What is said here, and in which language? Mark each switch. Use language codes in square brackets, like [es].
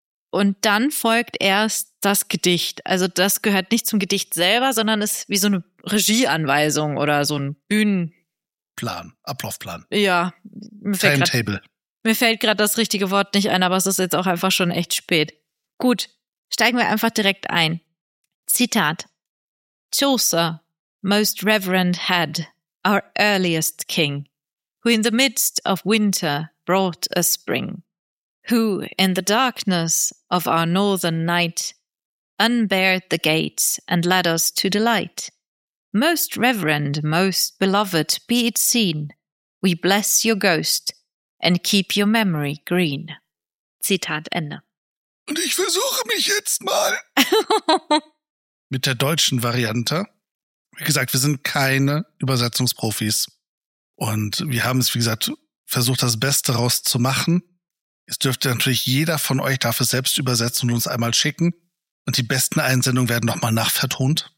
[de] Und dann folgt erst das Gedicht. Also das gehört nicht zum Gedicht selber, sondern ist wie so eine Regieanweisung oder so ein Bühnenplan, Ablaufplan. Ja. [en] Timetable. [de] Mir fällt gerade das richtige Wort nicht ein, aber es ist jetzt auch einfach schon echt spät. Gut, steigen wir einfach direkt ein. Zitat. [en] "Chaucer, most reverend head, our earliest king, who in the midst of winter brought a spring, who in the darkness of our northern night unbared the gates and led us to delight. Most reverend, most beloved, be it seen, we bless your ghost and keep your memory green." [de] Zitat Ende. Und ich versuche mich jetzt mal mit der deutschen Variante. Wie gesagt, wir sind keine Übersetzungsprofis und wir haben es, wie gesagt, versucht, das Beste daraus zu machen. Es dürfte natürlich jeder von euch dafür selbst übersetzen und uns einmal schicken und die besten Einsendungen werden nochmal nachvertont.